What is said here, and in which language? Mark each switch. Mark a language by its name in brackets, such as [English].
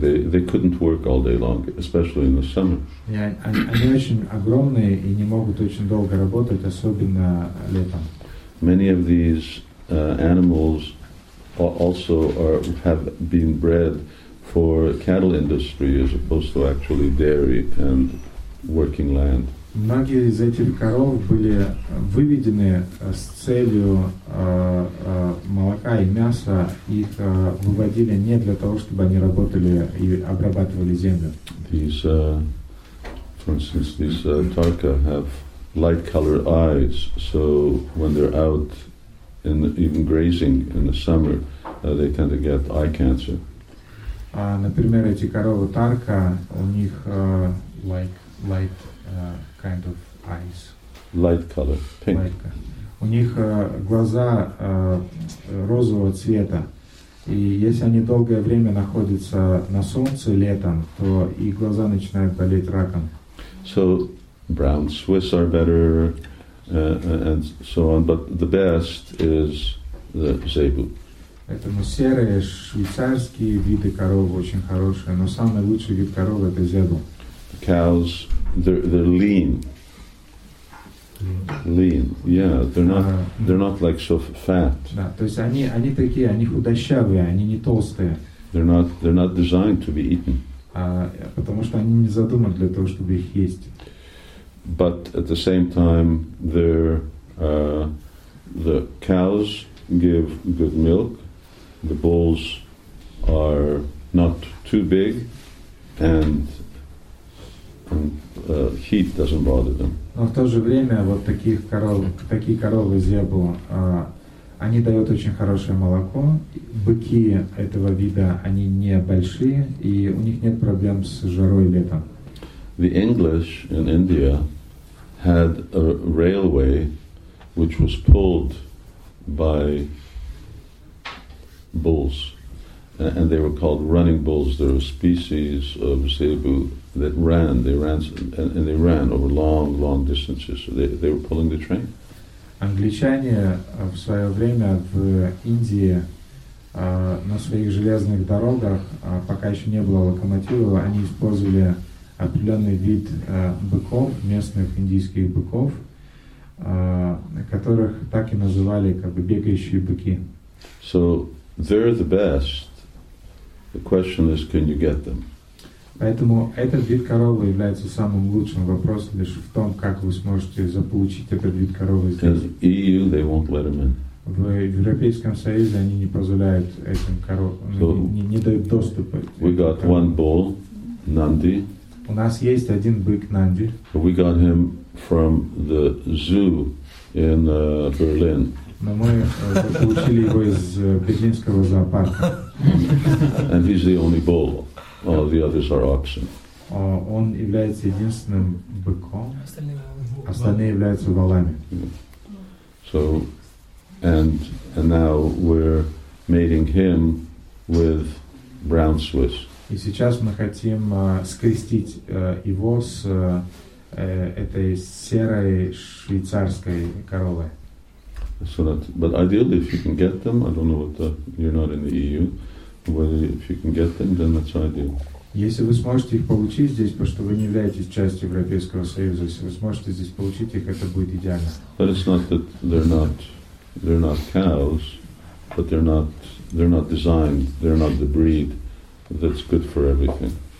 [English] They couldn't work all day long, especially in the summer. [Russian] Они очень огромные и не могут очень долго работать, особенно летом. [English] Many of these animals also have been bred for cattle industry as opposed to actually dairy and working land. [Russian] Многие из этих коров были выведены с целью молока и мяса. Их выводили не для того, чтобы они работали и обрабатывали землю. [English] These, for instance, these tarka have light-colored eyes, so when they're out in even grazing in the summer, they tend to get eye cancer. [Russian] Например, эти коровы тарка, у них [English] light. Kind of eyes. Light color, pink. [Russian] У них глаза розового цвета. И если они долгое время находятся на солнце летом, то их глаза начинают болеть раком. [English] So, brown Swiss are better, and so on. But the best is the Zebu. [Russian] Поэтому серые швейцарские виды коров очень хорошие, но самый лучший вид коров это Zebu. [English] Cows. They're lean, yeah. They're not like so fat. [Russian] Да, то есть они такие, они худощавые, они не толстые. [English] They're not designed to be eaten. [Russian] Потому что они не задуманы для того, чтобы их есть. [English] But at the same time, the cows give good milk. The bulls are not too big, and heat doesn't bother them. [Russian] Но в то же время вот таких коров, такие коровы зебу, они дают очень хорошее молоко. Быки этого вида, они не большие, и у них нет проблем с жарой летом. [English] The English in India had a railway which was pulled by bulls, and they were called running bulls. They're a species of zebu. They ran over long distances. So they were pulling the train. [Russian] Англичане в свое время в Индии на своих железных дорогах, пока еще не было локомотива, они использовали определенный вид быков, местных индийских быков, которых так и называли как бы бегающие быки. [English] So they're the best. The question is, can you get them? [Russian] Поэтому этот вид коровы является самым лучшим. Вопрос лишь в том, как вы сможете заполучить этот вид коровы здесь. [English] Because EU, they won't let them in. [Russian] В Европейском Союзе они не позволяют этим коровам, so не дают доступа. [English] We got one bull, Nandi. [Russian] У нас есть один бык Нанди. [English] We got him from the zoo in Berlin. [Russian] Но мы получили его из берлинского зоопарка. [English] And he's the only bull. All the others are oxen. [Russian] Он является единственным быком. Остальные являются валами. [English] So, and now we're mating him with brown Swiss. [Russian] И сейчас мы хотим скрестить его с этой серой швейцарской коровой. [English] So that, but ideally, if you can get them, I don't know what the, you're not in the EU, but if you can get them, then that's ideal. [Russian] Если вы сможете их получить здесь, потому что вы не являетесь частью Европейского Союза, если вы сможете здесь получить их, это будет идеально. [English] But it's not that they're not cows, but they're not designed, they're not the breed that's good for everything.